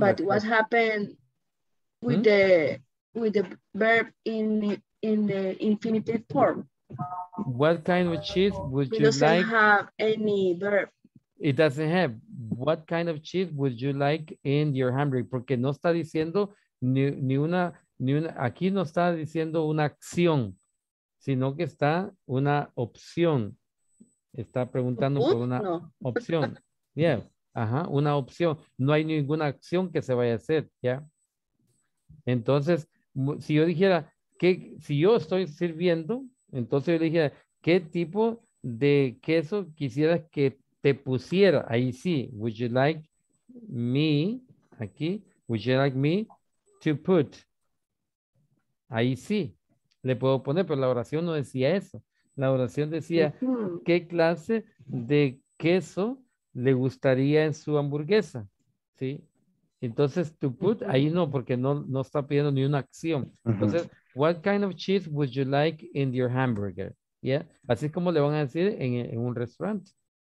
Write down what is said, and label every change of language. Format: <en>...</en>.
<en>But what happened with the verb in the infinitive form? What kind of cheese would you like? It doesn't have any verb. It doesn't have. What kind of cheese would you like in your hamburger?</en> <es>Porque no está diciendo ni una. Aquí no está diciendo una acción, sino que está una opción. Está preguntando por una opción. Yeah. Ajá, una opción. No hay ninguna acción que se vaya a hacer, ¿ya? Entonces, si yo dijera, si yo estoy sirviendo, entonces yo dijera, ¿qué tipo de queso quisieras que te pusiera? Ahí sí,</es> <en>would you like me, aquí, would you like me to put?</en> <es>Ahí sí, le puedo poner, pero la oración no decía eso. La oración decía, ¿qué clase de queso le gustaría en su hamburguesa? ¿Sí? Entonces, to put, ahí no, porque no está pidiendo ni una acción. Entonces, uh-huh.</es> <en>What kind of cheese would you like in your hamburger? Yeah.</en> <es>Así es como le van a decir en un restaurante.</es>